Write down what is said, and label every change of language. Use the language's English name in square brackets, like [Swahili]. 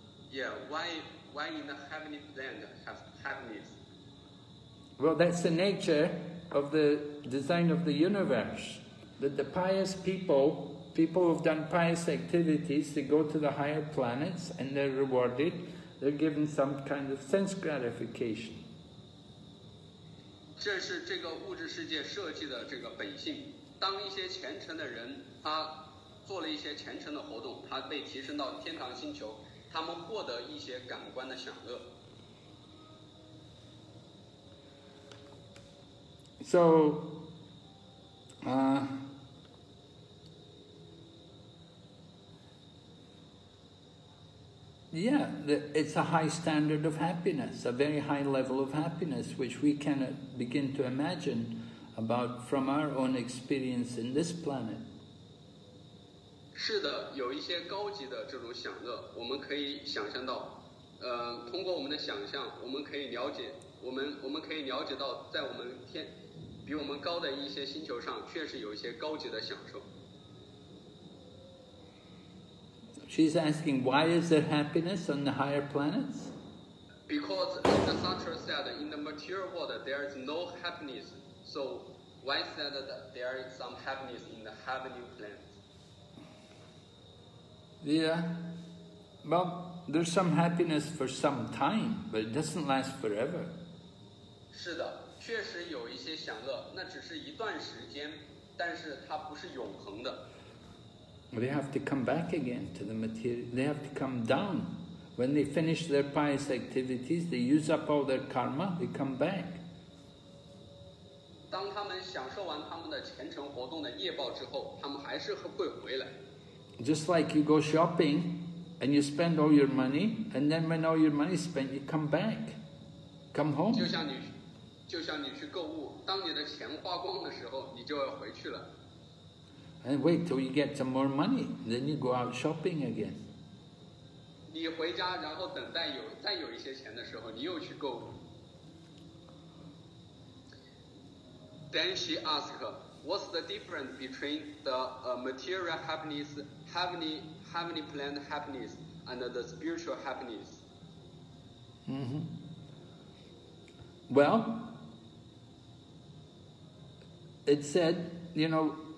[English] Yeah, why in the heavenly plant have happiness? Well, that's the nature of the design of the universe. That the pious people who have done pious activities, they go to the higher planets and they're rewarded. They're given some kind of sense gratification. [Chinese] 这是这个物质世界设计的这个本性。当一些虔诚的人，他做了一些虔诚的活动，他被提升到天堂星球，他们获得一些感官的享乐。 [English] So, yeah, it's a high standard of happiness, a very high level of happiness, which we cannot begin to imagine about from our own experience in this planet. [Chinese] 是的，有一些高级的这种享乐，我们可以想象到，通过我们的想象，我们可以了解，我们可以了解到，在我们天比我们高的一些星球上，确实有一些高级的享受。 [English] She's asking, why is there happiness on the higher planets? Because in the sutra said, in the material world, there is no happiness. So why is that there is some happiness in the heavenly planets? Yeah. Well, there's some happiness for some time, but it doesn't last forever. [Chinese] 是的，确实有一些享乐，那只是一段时间，但是它不是永恒的。 [English] They have to come back again to the material. They have to come down. When they finish their pious activities, they use up all their karma, they come back. [Chinese] 当他们享受完他们的虔诚活动的业报之后，他们还是会回来。 [English] Just like you go shopping and you spend all your money, and then when all your money is spent, you come back. Come home. [Chinese] 就像你去购物，当你的钱花光的时候，你就要回去了。 [English] And wait till you get some more money, then you go out shopping again. [Chinese] 你回家，然后等待有再有一些钱的时候，你又去购物。 [English] Then she asked, "What's the difference between the material happiness, heavenly planet happiness, and the spiritual happiness?" Well, it said, you know.